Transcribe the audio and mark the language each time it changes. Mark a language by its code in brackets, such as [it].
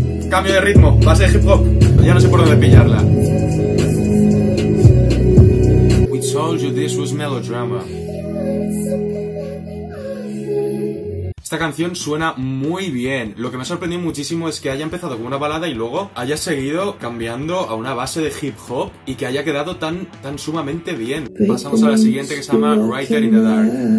[es] Cambio de ritmo, base de hip hop. Ya no sé por dónde pillarla. [en] Told you this was melodrama. [es] Esta canción suena muy bien. Lo que me ha sorprendido muchísimo es que haya empezado como una balada y luego haya seguido cambiando a una base de hip hop y que haya quedado tan, tan sumamente bien. Pasamos a la siguiente, que se llama Writer in the Dark.